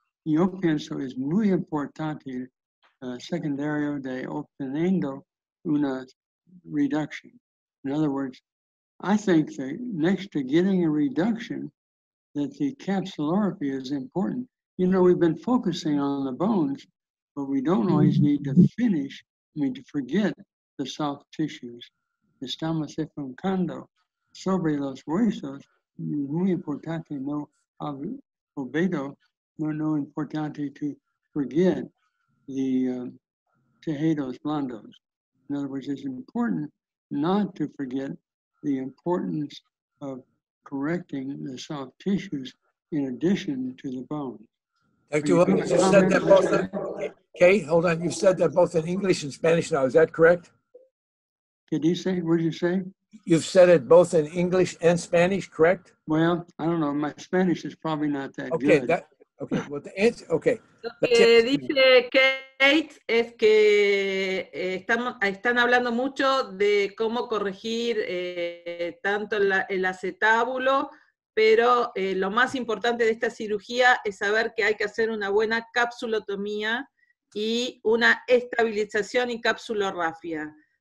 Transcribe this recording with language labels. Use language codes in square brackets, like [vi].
[es] Yo pienso es muy importante secundario de obteniendo una reduction. [en] In other words, I think that next to getting a reduction, that the capsulorraphy is important. You know, we've been focusing on the bones, but we don't always need to forget the soft tissues. [es] Estamos enfocando sobre los huesos. Muy importante no olvido, no importante [en] to forget the [es] tejidos blandos. [en] In other words, it's important not to forget the importance of correcting the soft tissues in addition to the bone. Thank you. You've said that both in English and Spanish now. Is that correct? What did you say? You've said it both in English and Spanish, correct? Well, I don't know. My Spanish is probably not that good. Okay. [es] Lo que dice Kate es que están hablando mucho de cómo corregir tanto el acetábulo, pero lo más importante de esta cirugía es saber que hay que hacer una buena capsulotomía y una estabilización y capsulorrafia.